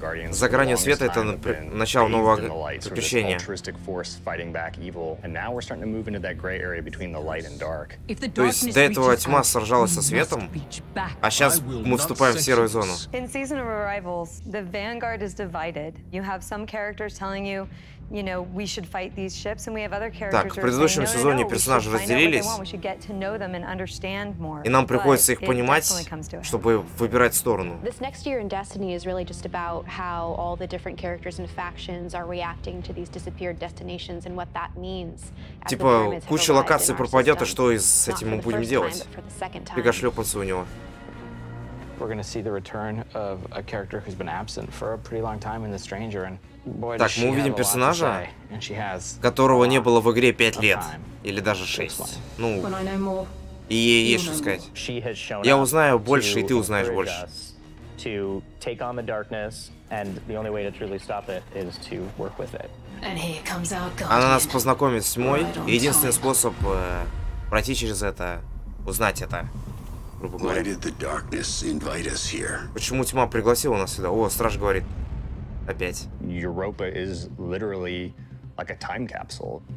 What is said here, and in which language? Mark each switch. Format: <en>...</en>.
<ru>За гранью света это начало нового приключения. То есть до этого тьма сражалась со светом, а сейчас мы вступаем в серую зону.</ru> <en>In Season of Arrivals, the Vanguard is divided. You have some characters telling you, you know, we should fight these ships, and we have other characters.</en> <ru>Так, в предыдущем сезоне персонажи разделились, и нам приходится их понимать, чтобы выбирать сторону.</ru> <en>This next year in Destiny is really just about how all the different characters and factions are reacting to these disappeared destinations and what that means.</en> <ru>Типа куча локаций пропадет, а что с этим мы будем делать? Бега шлепаться у него.</ru> <en>We're going to see the return of a character who's been absent for a pretty long time in The Stranger, and boy,</en> <ru>так, мы увидим персонажа, которого не было в игре 5 лет, или даже 6. Ну, и ей есть что сказать. Я узнаю больше, и ты узнаешь больше.</ru> <en>To take on the darkness, and the only way to truly stop it is to work with it.</en> <ru>Она нас познакомит с тьмой, и единственный способ пройти через это, узнать это.</ru> <en>Why did the darkness invite us here?</en> <ru>Почему тьма пригласила нас сюда? О, страж говорит. Опять.</ru> <en>Europa is literally like a time capsule.</en>